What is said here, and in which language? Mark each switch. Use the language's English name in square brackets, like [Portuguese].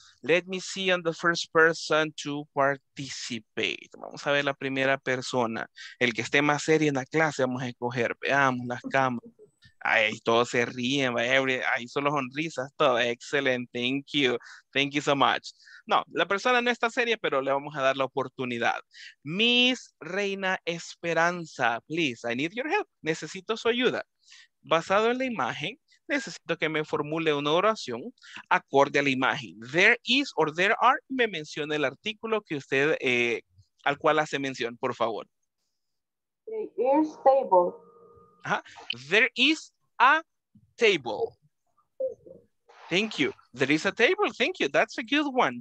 [English] Let me see on the first person to participate. [Spanish] Vamos a ver la primera persona. El que esté más serio en la clase, vamos a escoger. Veamos las cámaras. Ay, todos se ríen, ahí son las sonrisas, todo. Excelente, [English] thank you so much. [Spanish] No, la persona no está seria, pero le vamos a dar la oportunidad. [English] Miss Reina Esperanza, please, I need your help. [Spanish] Necesito su ayuda. Basado en la imagen, necesito que me formule una oración acorde a la imagen. There is or there are, me menciona el artículo que usted, al cual hace mención, por favor. [English] There is table. Uh-huh. There is a table. Thank you. There is a table. Thank you. That's a good one.